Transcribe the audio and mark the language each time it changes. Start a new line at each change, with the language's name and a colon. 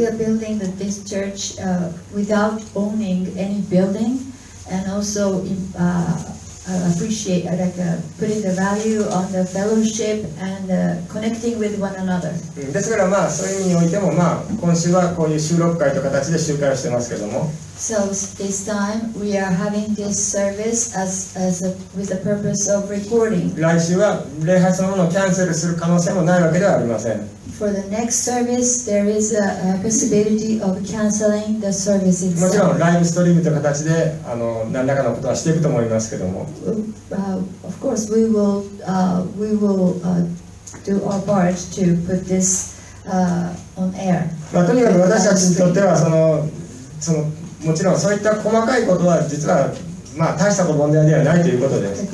English: We are building this church without owning any building and also appreciate like putting the value on the fellowship and connecting with one another.
Japanese: ですから、まあ、そういう意味においても、まあ、今週はこういう収録会という形で集会をしてますけども、
English: So this time we are having this service with the purpose of recording.
Japanese: 来週は礼拝そのものをキャンセルする可能性もないわけではありません。
English: For the next service, there is a possibility of canceling the service itself.
Japanese: もちろんライブストリームという形で何らかのことはしていくと思いますけども。
English: Of course, we will do our part to put this on air.
Japanese: まあ、とにかく私たちにとってはそのもちろんそういった細かいことは実はまあ大したこと問題ではないということです。